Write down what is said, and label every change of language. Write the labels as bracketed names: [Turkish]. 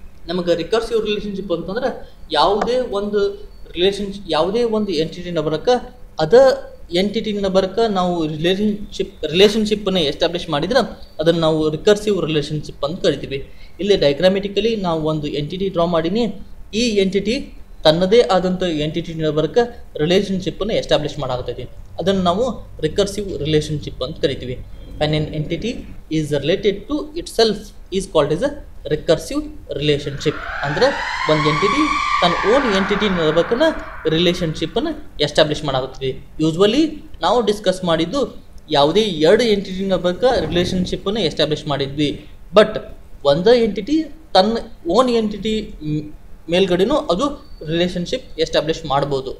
[Kannada] ನಮಗೆ recursive relationship ಅಂತಂದ್ರೆ ಯಾವುದೇ ಒಂದು ರಿಲೇಷನ್ಶಿಪ್ ಯಾವುದೇ ಒಂದು ಎಂಟಿಟಿನ ಬರಕ ಅದ ಎಂಟಿಟಿನ ಬರಕ ನಾವು ರಿಲೇಷನ್ಶಿಪ್ಪನ್ನು ಎಸ್ಟಾಬ್ಲಿಷ್ ಮಾಡಿದ್ರೆ ಅದನ್ನು ನಾವು ರಿಕರ್ಸಿವ್ ರಿಲೇಷನ್ಶಿಪ್ ಅಂತ ಕರಿತೀವಿ. ಇಲ್ಲಿ ಡೈಗ್ರಾಮೆಟಿಕಲಿ ನಾವು ಒಂದು ಎಂಟಿಟಿ ಡ್ರಾ ಮಾಡಿನಿ. ಈ ಎಂಟಿಟಿ ತನ್ನದೇ ಆದಂಥ ಎಂಟಿಟಿನ ಬರಕ ರಿಲೇಷನ್ಶಿಪ್ಪನ್ನು ಎಸ್ಟಾಬ್ಲಿಷ್ ಮಾಡಾಗ್ತೈತಿ. ಅದನ್ನು ನಾವು ರಿಕರ್ಸಿವ್ ರಿಲೇಷನ್ಶಿಪ್ ಅಂತ ಕರಿತೀವಿ. [English] when an entity is related to itself is called as a recursive relationship. [Kannada] ಅಂದರೆ ಒಂದು ಎಂಟಿಟಿ ತನ್ನ ಓನ್ ಎಂಟಿಟಿ ನಡಬೇಕನ್ನ ರಿಲೇಷನ್ಶಿಪ್ಪನ್ನು ಎಸ್ಟಾಬ್ಲಿಷ್ ಮಾಡಾಗುತ್ತಿದೆ. ಯೂಶ್ವಲಿ ನಾವು ಡಿಸ್ಕಸ್ ಮಾಡಿದ್ದು ಯಾವುದೇ ಎರಡು ಎಂಟಿಟಿ ನಡಬೇಕ ರಿಲೇಷನ್ಶಿಪ್ಪನ್ನು ಎಸ್ಟಾಬ್ಲಿಷ್ ಮಾಡಿದ್ವಿ. ಬಟ್ ಒಂದು ಎಂಟಿಟಿ ತನ್ನ ಓನ್ ಎಂಟಿಟಿ ಮೇಲ್ಗಡೆನೂ ಅದು ರಿಲೇಷನ್ಶಿಪ್ ಎಸ್ಟಾಬ್ಲಿಷ್ ಮಾಡ್ಬೋದು.